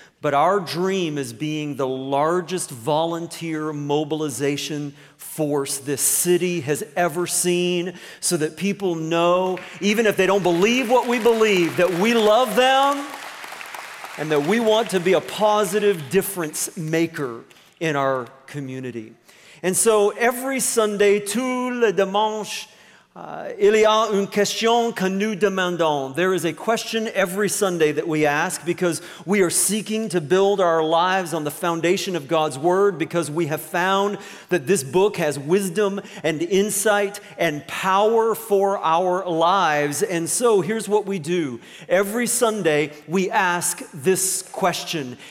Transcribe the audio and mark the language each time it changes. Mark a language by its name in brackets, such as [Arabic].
[English] But our dream is being the largest volunteer mobilization force this city has ever seen, so that people know, even if they don't believe what we believe, that we love them and that we want to be a positive difference maker in our community. And so every Sunday, [French] tout le dimanche, il y a une question que nous demandons. [English] There is a question every Sunday that we ask, because we are seeking to build our lives on the foundation of God's Word, because we have found that this book has wisdom and insight and power for our lives. And so here's what we do. Every Sunday, we ask this question.